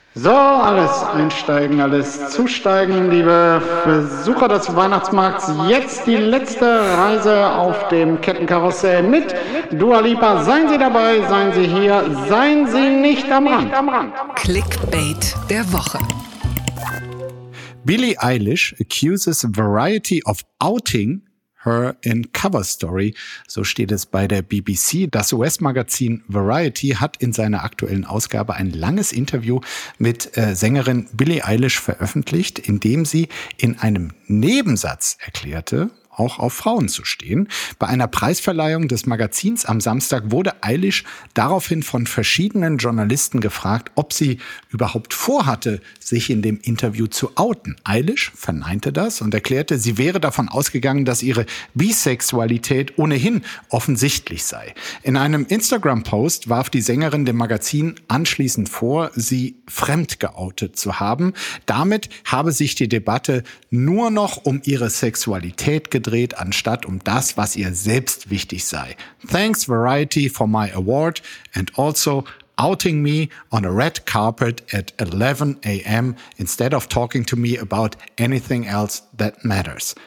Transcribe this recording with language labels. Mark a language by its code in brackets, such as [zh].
[de] So, alles einsteigen, alles zusteigen, liebe Besucher des Weihnachtsmarkts. Jetzt die letzte Reise auf dem Kettenkarussell mit Dua Lipa. Seien Sie dabei, seien Sie hier, seien Sie nicht am Rand. Clickbait der Woche. [en] Billie Eilish accuses Variety of outing her in cover story. [de] So steht es bei der BBC. Das US-Magazin Variety hat in seiner aktuellen Ausgabe ein langes Interview mit Sängerin Billie Eilish veröffentlicht, in dem sie in einem Nebensatz erklärte, auch auf Frauen zu stehen. Bei einer Preisverleihung des Magazins am Samstag wurde Eilish daraufhin von verschiedenen Journalisten gefragt, ob sie überhaupt vorhatte, sich in dem Interview zu outen. Eilish verneinte das und erklärte, sie wäre davon ausgegangen, dass ihre Bisexualität ohnehin offensichtlich sei. In einem Instagram-Post warf die Sängerin dem Magazin anschließend vor, sie fremd geoutet zu haben. Damit habe sich die Debatte nur noch um ihre Sexualität gedreht, anstatt um das, was ihr selbst wichtig sei. [en] Thanks Variety for my award and also outing me on a red carpet at 11 a.m. instead of talking to me about anything else that matters.